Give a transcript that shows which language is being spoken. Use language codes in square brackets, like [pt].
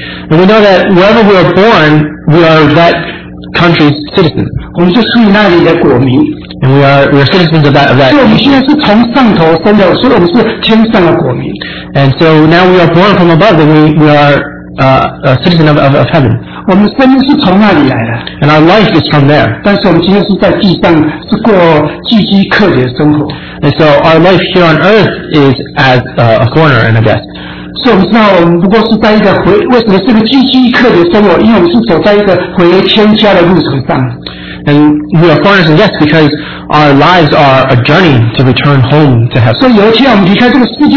[en] And we know that wherever we are born, we are that country's citizen. [zh] 我们就属于那里的国民。 [en] And we are citizens of that. [zh] 所以我们现在是从上头生的，所以我们是天上的国民。 [en] And so now we are born from above, and we are a citizen of heaven. [zh] 我们生命是从那里来的。 [en] And our life is from there. [zh] 但是我们今天是在地上，是过寄居客的生活。 [en] And so our life here on earth is as a foreigner and a guest. [zh] 所以我们知道，我们不过是在一个回，为什么是个寄居一刻的生活？因为我们是走在一个回天家的路程上。 [en] And we are foreigners, yes, because our lives are a journey to return home to heaven.